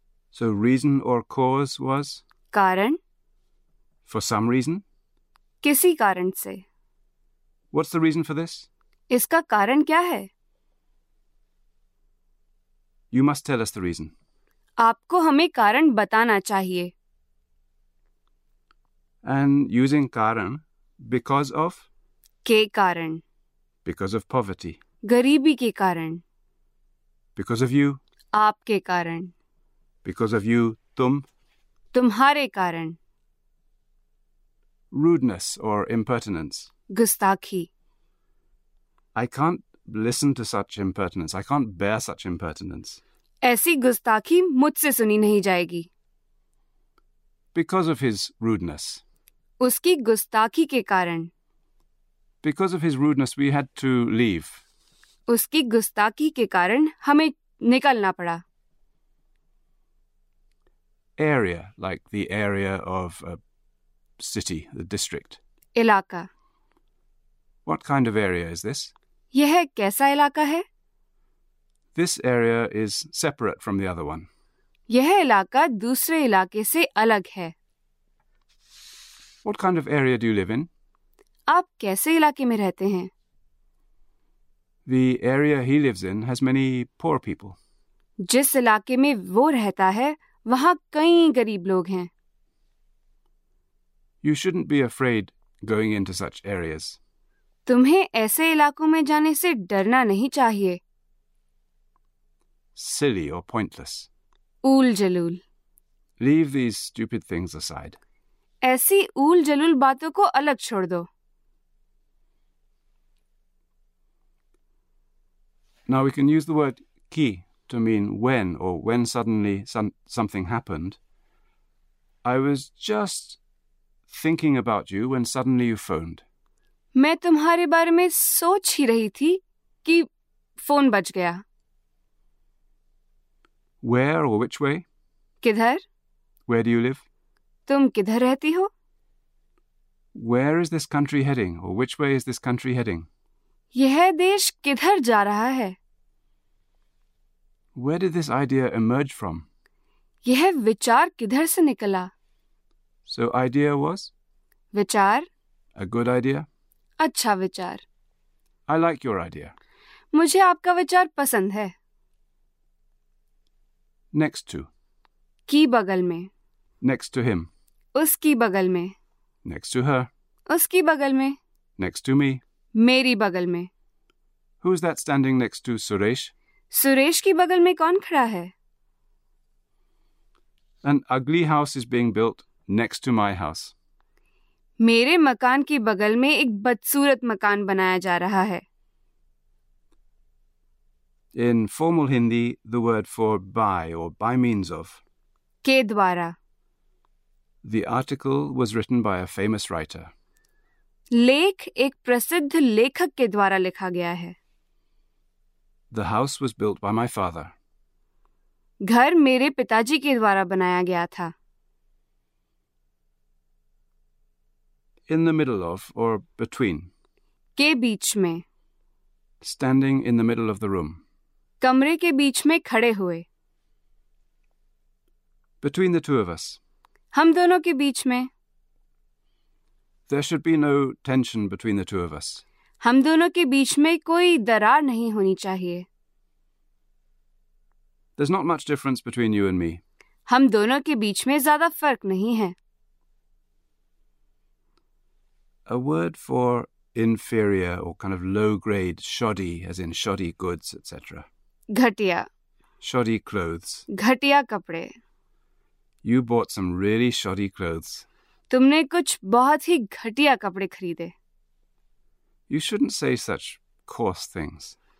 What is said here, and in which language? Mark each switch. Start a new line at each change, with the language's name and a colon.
English: So reason or cause was?
Hindi: कारण।
English: For some reason?
Hindi: किसी कारण से।
English: What's the reason for this?
Hindi: इसका कारण क्या है?
English: You must tell us the reason.
Hindi: आपको हमें कारण बताना चाहिए।
English: And using कारण, because of?
Hindi: के कारण।
English: Because of poverty.
Hindi: गरीबी के कारण।
English: Because of you.
Hindi: आपके कारण।
English: Because of you, तुम।
Hindi: तुम्हारे कारण।
English: Rudeness or impertinence.
Hindi: गुस्ताखी।
English: I can't listen to such impertinence. I can't bear such impertinence.
Hindi: ऐसी गुस्ताखी मुझसे सुनी नहीं जाएगी।
English: Because of his rudeness.
Hindi: उसकी गुस्ताखी के कारण।
English: Because of his rudeness, we had to leave.
Hindi: उसकी गुस्ताखी के कारण हमें निकलना पड़ा।
English: Area, like the area of a city, the district.
Hindi: इलाका।
English: What kind of area is this?
Hindi: यह कैसा इलाका है?
English: This area is separate from the other one.
Hindi: यह इलाका दूसरे इलाके से अलग है।
English: What kind of area do you live in?
Hindi: आप कैसे इलाके में रहते हैं?
English: The area he lives in has many poor people.
Hindi: जिस इलाके में वो रहता है, वहाँ कई गरीब लोग हैं।
English: You shouldn't be afraid going into such areas.
Hindi: तुम्हें ऐसे इलाकों में जाने से डरना नहीं चाहिए।
English: Silly or pointless.
Hindi: Wool जलूल।
English: Leave these stupid things aside.
Hindi: ऐसी ऊल जलूल बातों को अलग छोड़ दो।
English: Now we can use the word "कि" to mean when or when suddenly something happened. I was just thinking about you when suddenly you phoned.
Hindi: मैं तुम्हारे बारे में सोच ही रही थी कि फोन बज गया।
English: Where or which way?
Hindi: किधर?
English: Where do you live?
Hindi: तुम किधर रहती हो?
English: Where is this country heading or which way is this country heading?
Hindi: यह देश किधर जा रहा है?
English: Where did this idea emerge from?
Hindi: यह विचार किधर से निकला?
English: So idea was?
Hindi: विचार?
English: A good idea?
Hindi: अच्छा विचार।
English: I like your idea.
Hindi: मुझे आपका विचार पसंद है।
English: Next to.
Hindi: की बगल में।
English: Next to him.
Hindi: उसकी बगल में।
English: Next to her.
Hindi: उसकी बगल में।
English: Next to me.
Hindi: मेरी बगल में।
English: Who is that standing next to Suresh?
Hindi: Suresh की बगल में कौन खड़ा है?
English: An ugly house is being built next to my house.
Hindi: मेरे मकान के बगल में एक बदसूरत मकान बनाया जा रहा है।
English: In formal Hindi, the word for by or by means of.
Hindi: के द्वारा।
English: The article was written by a famous writer.
Hindi: लेख एक प्रसिद्ध लेखक के द्वारा लिखा गया है।
English: The house was built by my father.
Hindi: घर मेरे पिताजी के द्वारा बनाया गया था।
English: In the middle of or between.
Hindi: के बीच में।
English: Standing in the middle of the room.
Hindi: कमरे के बीच में खड़े हुए।
English: Between the two of us.
Hindi: हम दोनों के बीच में।
English: There should be no tension between the two of us.
Hindi: हम दोनों के बीच में कोई दरार नहीं होनी चाहिए।
English: There's not much difference between you and me.
Hindi: हम दोनों के बीच में ज्यादा फर्क नहीं है।
English: A word for inferior or kind of low grade, shoddy, as in shoddy goods, etc.
Hindi: घटिया।
English: Shoddy clothes.
Hindi: घटिया कपड़े।
English: You bought some really shoddy clothes.
Hindi: तुमने कुछ बहुत ही घटिया कपड़े खरीदे।
English: You shouldn't say such coarse things.